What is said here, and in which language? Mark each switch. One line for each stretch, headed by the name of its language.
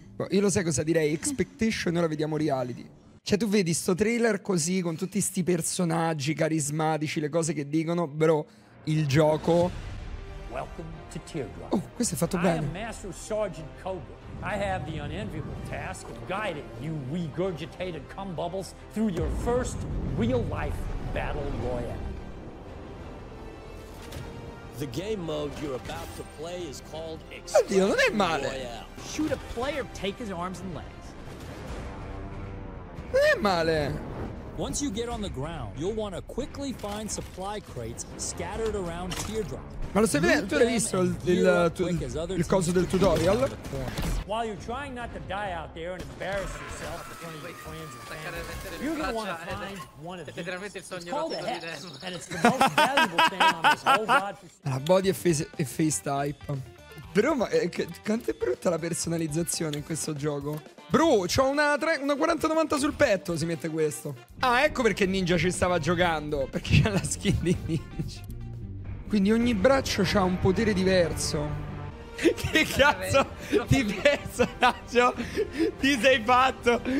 Italian: Io lo sai cosa direi, expectation, ora vediamo reality. Cioè, tu vedi sto trailer così, con tutti sti personaggi carismatici, le cose che dicono, però il gioco...
English: Welcome to Teardrop.
Italian: Oh, questo è fatto bene.
English: I am Master Sergeant Cobra. I have the unenviable task of guiding you regurgitated cum bubbles through your first real-life battle royale. The game mode you're about to play is called Extreme Royale. Shoot a player, take his arms and legs.
Italian: Non è male.
English: Once you get on the ground, you'll want to quickly find supply crates scattered around Teardrop.
Italian: Ma lo sai, tu l'hai visto il coso del tutorial?
English: While you're trying not to die out there and embarrass yourself in front of your friends and family, you're going to want to find one of these. It's called a hex, and it's the most valuable thing on this whole godforsaken. La body face type.
Italian: Però ma quanto è brutta la personalizzazione in questo gioco. Bro, c'ho una 4090 sul petto, si mette questo. Ah, ecco perché Ninja ci stava giocando, perché c'ha la skin di Ninja. Quindi ogni braccio c'ha un potere diverso. Che cazzo di personaggio ti sei fatto?